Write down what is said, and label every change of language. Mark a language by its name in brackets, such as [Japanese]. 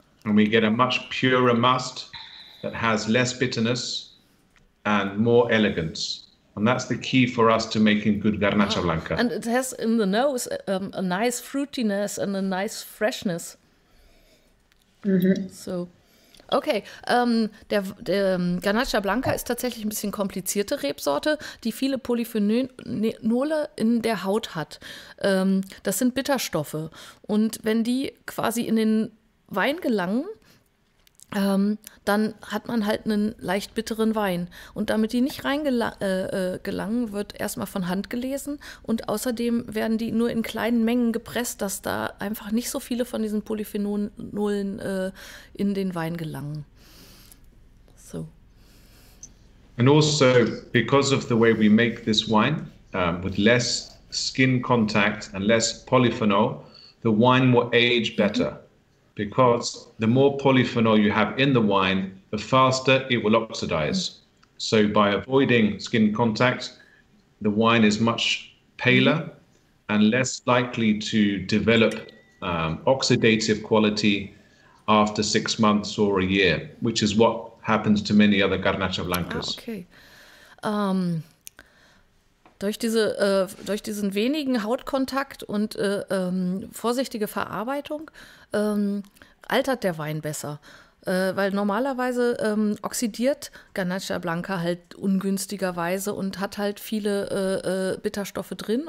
[English] And we get a much purer must that has less bitterness and more elegance. And that's the key for us to making good Garnatxa Blanca. And it has in the nose a nice fruitiness and a nice freshness. Mm-hmm. So, okay. [German] Der Garnatxa Blanca ist tatsächlich ein bisschen komplizierte Rebsorte, die viele Polyphenole in der Haut hat. Das sind Bitterstoffe. Und wenn die quasi in den Wein gelangen, dann hat man halt einen leicht bitteren Wein. Und damit die nicht reingelangen, wird erstmal von Hand gelesen. Und außerdem werden die nur in kleinen Mengen gepresst, dass da einfach nicht so viele von diesen Polyphenolen in den Wein gelangen. [English] So. And also, because of the way we make this wine, with less skin contact and less polyphenol, the wine will age better. Mm-hmm. Because the more polyphenol you have in the wine, the faster it will oxidize. So by avoiding skin contact, the wine is much paler and less likely to develop oxidative quality after 6 months or a year, which is what happens to many other Garnatxa Blancas. Okay. [German] Durch diesen wenigen Hautkontakt und vorsichtige Verarbeitung altert der Wein besser. Weil normalerweise oxidiert Garnatxa Blanca halt ungünstigerweise und hat halt viele Bitterstoffe drin.